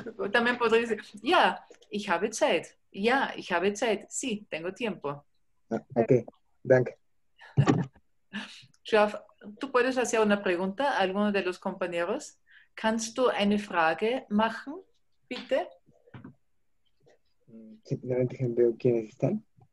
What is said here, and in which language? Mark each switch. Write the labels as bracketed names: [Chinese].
[Spanish] También podría decir, [German] ja, ich habe Zeit. Ja, ich habe Zeit. [Spanish] Sí, tengo tiempo. [German] Ok, danke. [Spanish] Schaff, ¿tú puedes hacer una pregunta a alguno de los compañeros? [German] ¿Kannst du eine Frage machen, bitte? [Spanish] Simplemente veo quiénes están.